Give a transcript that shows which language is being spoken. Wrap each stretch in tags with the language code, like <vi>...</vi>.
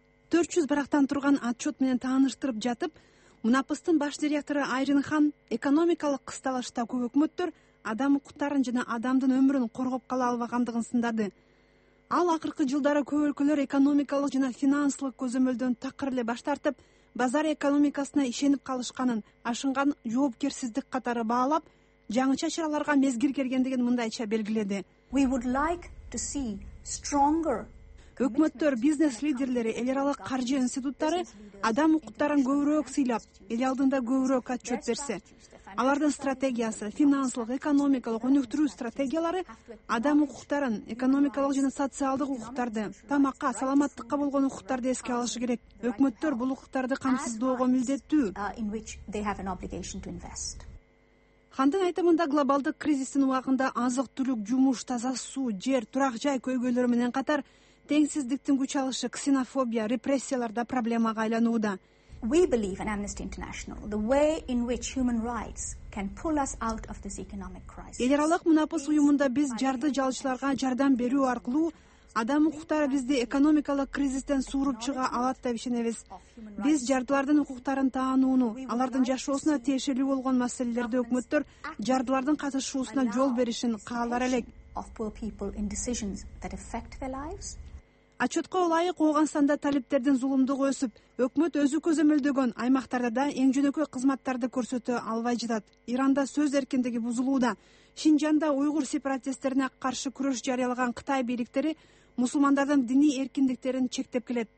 <ky>400 барактан турган отчет менен тааныштырып жатып, мунапыстын баш директору Айрын Хан экономикалык кысталышта көп өкмөттөр адам укуктарын жана адамдын өмүрүн коргоп кала албагандыгын сындады. Ал акыркы жылдары көп өлкөлөр экономикалык жана финансылык көзөмөлдөн такыр эле баш тартып, базар экономикасына ишенип калышканын ашынган жоопкерсиздик катары баалап, жаңыча чараларга мезгил келгендигин мындайча белгиледи.</ky> <en>We would like to see stronger.</en> <ky>Өкмөттөр, бизнес лидерлери, эл аралык каржы институттары адам укуктарын көбүрөөк сыйлап, эл алдында көбүрөөк отчет берсе. Алардын стратегиясы, финансылык, экономикалык өнүктүрүү стратегиялары адам укуктарын, экономикалык жана социалдык укуктарды, тамакка, саламаттыкка болгон укуктарды эске алышы керек. Өкмөттөр бул укуктарды камсыздоого милдеттүү. Хандын айтымында глобалдык кризистин убагында азык түлүк, жумуш, таза суу, жер, турак жай көйгөйлөрү менен катар теңсиздиктин күч алышы, ксенофобия, репрессиялар да проблемага айланууда.</ky> <en>We believe in Amnesty International, the way in which human rights can pull us out of this economic crisis.</en> <ky>Эл аралык мунапыс уюмунда биз жарды жалчыларга жардам берүү аркылуу адам укуктары бизди экономикалык кризистен сууруп чыга алат деп ишенебиз. Биз жардылардын укуктарын таанууну, алардын жашоосуна тиешелүү болгон маселелерде өкмөттөр жардылардын катышуусуна жол беришин каалар элек.</ky> <en>Of poor people in decisions that affect their lives.</en> <ky>Отчетко ылайык Ооганстанда талиптердин зулумдугу өсүп, өкмөт өзү көзөмөлдөгөн аймактарда да эң жөнөкөй кызматтарды көрсөтө албай жатат. Иранда сөз эркиндиги бузулууда. Шинжанда уйгур сепаратисттерине каршы күрөш жарыялаган Кытай бийликтери мусулмандардын диний эркиндиктерин чектеп келет.</ky>